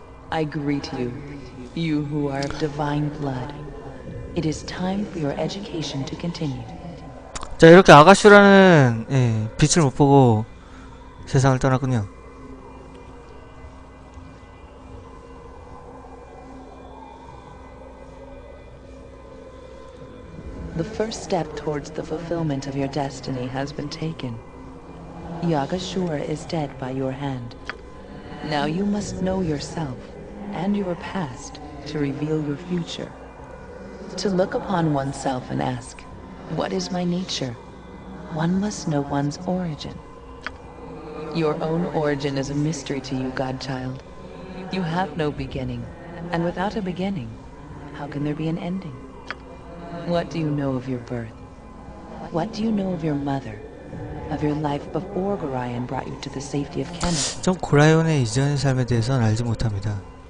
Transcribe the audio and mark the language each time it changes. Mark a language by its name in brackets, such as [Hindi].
[English] I greet you, you who are of divine blood. It is time for your education to continue. [Korean] 자, 이렇게 아가슈라는 예, 빛을 못 보고 세상을 떠났군요. [English] First step towards the fulfillment of your destiny has been taken. Yagasura is dead by your hand. Now you must know yourself and your past to reveal your future. To look upon oneself and ask, what is my nature? One must know one's origin. Your own origin is a mystery to you, godchild. You have no beginning, and without a beginning, how can there be an ending? What do you know of your birth? What do you know of your mother? Of your life before Gorion brought you to the safety of Kenneth? [Korean] 전 고라이온의 이전 삶에 대해서는 알지 못합니다.